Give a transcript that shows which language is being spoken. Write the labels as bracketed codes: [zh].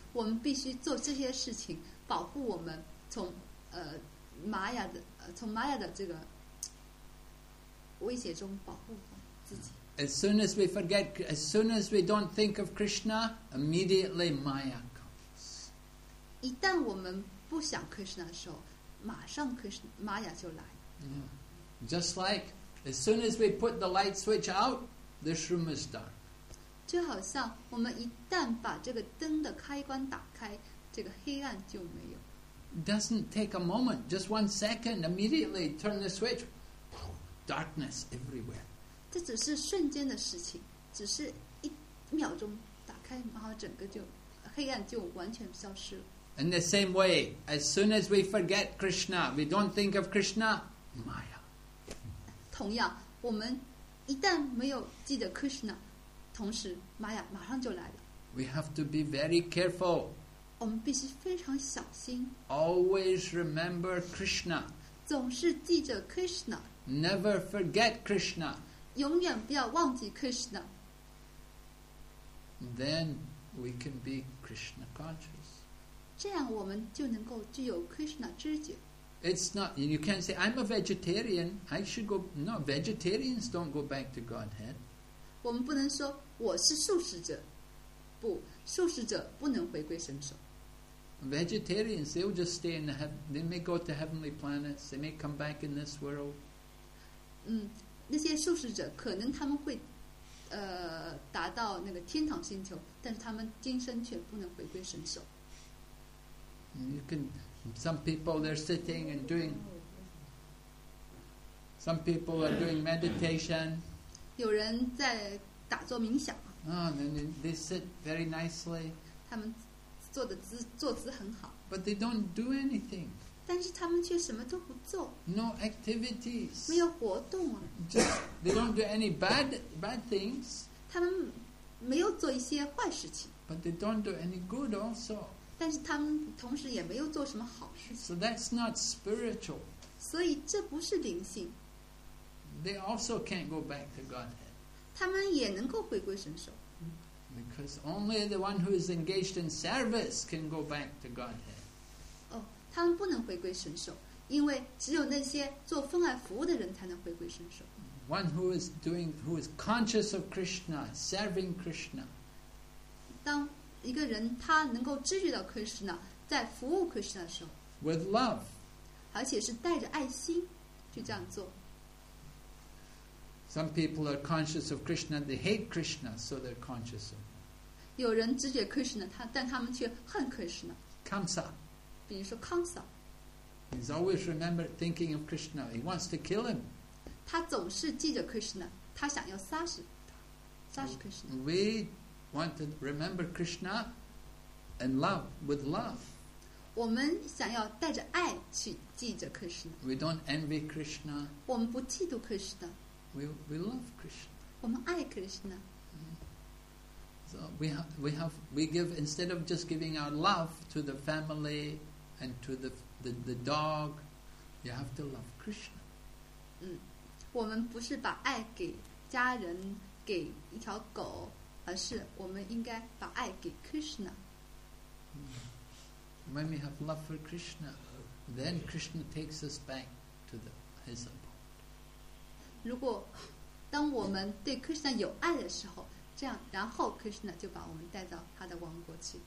[zh] 我们必须做这些事情，保护我们从玛雅的从玛雅的这个威胁中保护自己。 [en] As soon as we forget, as soon as we don't think of Krishna, immediately Maya comes. [zh] 一旦我们不想 Krishna 的时候，马上 Krishna 玛雅就来。 [en] Just like as soon as we put the light switch out. This room is dark. [zh] 就好像我们一旦把这个灯的开关打开，这个黑暗就没有。 [en] Doesn't take a moment, just one second. Immediately turn the switch. Darkness everywhere. [zh] 这只是瞬间的事情，只是一秒钟打开，然后整个就黑暗就完全消失了。 [en] In the same way, as soon as we forget Krishna, we don't think of Krishna, Maya. [zh] 同样，我们。一旦没有记得 Krishna， 同时 Maya 马上就来了。 [en] We have to be very careful. [zh] 我们必须非常小心。 [en] Always remember Krishna. [zh] 总是记着 Krishna. [en] Never forget Krishna. [zh] 永远不要忘记 Krishna. [en] Then we can be Krishna conscious. [zh] 这样我们就能够具有 Krishna 知觉。 [en] It's not, you can't say, I'm a vegetarian, I should go, no, vegetarians don't go back to Godhead. [zh] 我们不能说我是素食者，不，素食者不能回归神所。 [en] Vegetarians, they'll just stay in the heaven, they may go to heavenly planets, they may come back in this world. [zh] 那些素食者可能他们会达到那个天堂星球，但是他们今生却不能回归神所。 [en] You can... Some people they're sitting and doing. Some people are doing meditation. [zh] 有人在打坐冥想。 [en] They sit very nicely. [zh] 他们坐的姿坐姿很好。 [en] But they don't do anything. [zh] 但是他们却什么都不做。 [en] No activities. [zh] 没有活动啊。 [en] Just they don't do any bad things. [zh] 他们没有做一些坏事情。 [en] But they don't do any good also. [zh] 但是他们同时也没有做什么好事情。 [en] So that's not spiritual. [zh] 所以这不是灵性。 [en] They also can't go back to Godhead. [zh] 他们也能够回归神所。 [en] Because only the one who is engaged in service can go back to Godhead. [zh] 他们不能回归神所，因为只有那些做奉爱服务的人才能回归神所。 [en] One who is doing, who is conscious of Krishna, serving Krishna. [zh] 当一个人他能够知觉到 Krishna 在服务 Krishna 的时候 [en] with love [zh] 而且是带着爱心去这样做 [en] some people are conscious of Krishna they hate Krishna so they're conscious of [zh] 有人知觉 Krishna 但他们却恨 Krishna [en] Kamsa [zh] 比如说 Kamsa [en] he's always remembered thinking of Krishna he wants to kill him [zh] 他总是记着 Krishna 他想要杀死他杀死 Krishna [en] we want to remember Krishna and love with love. [zh] 我们想要带着爱去记着 Krishna. [en] We don't envy Krishna. [zh] 我们不嫉妒 Krishna. [en] We love Krishna. [zh] 我们爱 Krishna. [en] So we give instead of just giving our love to the family and to the dog, you have to love Krishna. [zh] 我们不是把爱给家人，给一条狗。而是我们应该把爱给 Krishna. [en] When we have love for Krishna, then Krishna takes us back to his abode. [zh] 如果当我们对 Krishna 有爱的时候，这样然后 Krishna 就把我们带到他的王国去。